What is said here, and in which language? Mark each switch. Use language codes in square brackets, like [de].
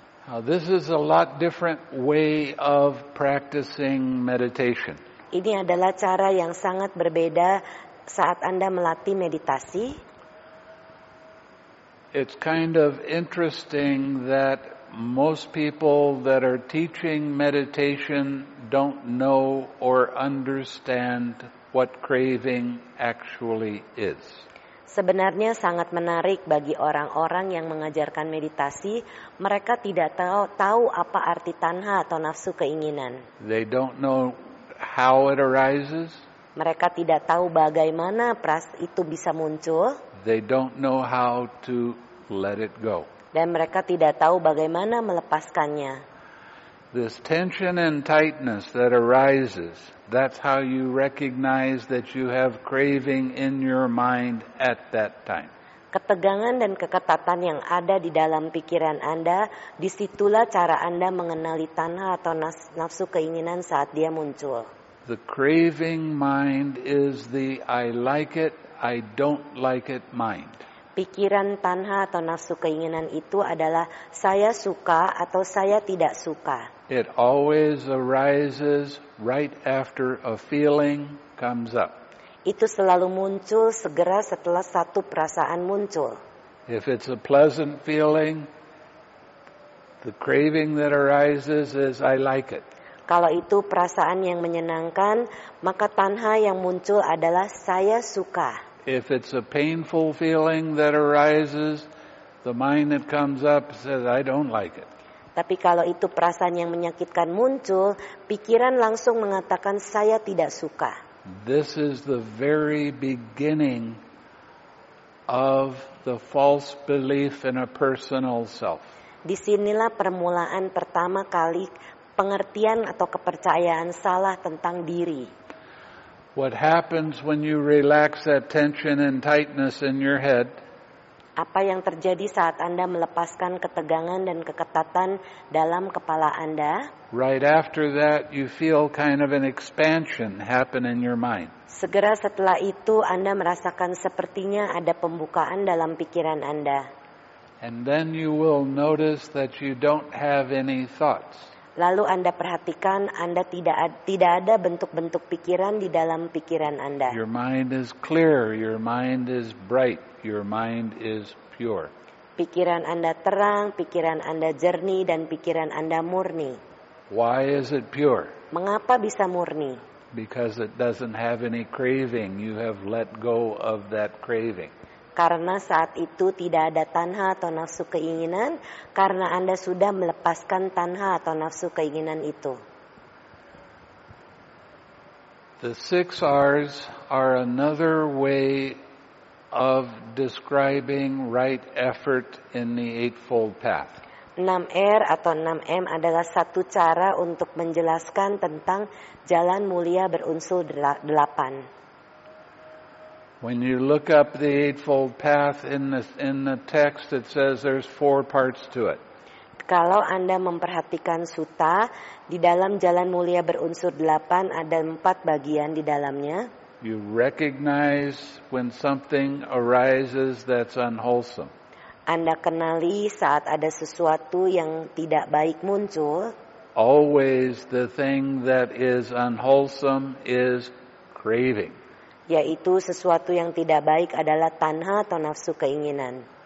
[en] Now this is a lot different way of practicing meditation. [id] Ini adalah cara yang sangat berbeda saat Anda melatih meditasi. [en] It's kind of interesting that most people that are teaching meditation don't know or understand what craving actually is. [id] Sebenarnya sangat menarik bagi orang-orang yang mengajarkan meditasi, mereka tidak tahu apa arti tanha atau nafsu keinginan. [en] They don't know how it arises. [id] Mereka tidak tahu bagaimana pras itu bisa muncul. [en] They don't know how to let it go. [id] Dan mereka tidak tahu bagaimana melepaskannya. [en] This tension and tightness that arises, that's how you recognize that you have craving in your mind at that time. [id] Ketegangan dan keketatan yang ada di dalam pikiran Anda, disitulah cara Anda mengenali tanha atau nafsu keinginan saat dia muncul. [en] The craving mind is the I like it, I don't like it mind. [id] Pikiran tanha atau nafsu keinginan itu adalah saya suka atau saya tidak suka. [en] It always arises right after a feeling comes up. [id] Itu selalu muncul segera setelah satu perasaan muncul. [en] If it's a pleasant feeling, the craving that arises is I like it. [id] Kalau itu perasaan yang menyenangkan, maka tanha yang muncul adalah saya suka. [en] If it's a painful feeling that arises, the mind that comes up says I don't like it. [id] Tapi kalau itu perasaan yang menyakitkan muncul, pikiran langsung mengatakan saya tidak suka. [en] This is the very beginning of the false belief in a personal self. [id] Disinilah permulaan pertama kali pengertian atau kepercayaan salah tentang diri. [en] What happens when you relax that tension and tightness in your head? [id] Apa yang terjadi saat Anda melepaskan ketegangan dan keketatan dalam kepala Anda? [en] Right after that, you feel kind of an expansion happen in your mind. [id] Segera setelah itu, Anda merasakan sepertinya ada pembukaan dalam pikiran Anda. [en] And then you will notice that you don't have any thoughts. [id] Lalu Anda perhatikan Anda tidak ada bentuk-bentuk pikiran di dalam pikiran Anda. [en] Your mind is clear, your mind is bright, your mind is pure. [id] Pikiran Anda terang, pikiran Anda jernih, dan pikiran Anda murni. [en] Why is it pure? [id] Mengapa bisa murni? [en] Because it doesn't have any craving. You have let go of that craving. [id] Karena saat itu tidak ada tanha atau nafsu keinginan, karena Anda sudah melepaskan tanha atau nafsu keinginan itu. [en] The six R's are another way of describing right effort in the Eightfold Path. [id] 6 R atau 6 M adalah satu cara untuk menjelaskan tentang jalan mulia berunsur 8. [en] When you look up the Eightfold Path in the text, it says there's 4 parts to it. [id] Kalau Anda memperhatikan sutta, di dalam jalan mulia berunsur 8 ada 4 bagian di dalamnya. [en] You recognize when something arises that's unwholesome. [id] Anda kenali saat ada sesuatu yang tidak baik muncul. [en] Always the thing that is unwholesome is craving. [id] Yaitu sesuatu yang tidak baik adalah tanha atau nafsu keinginan.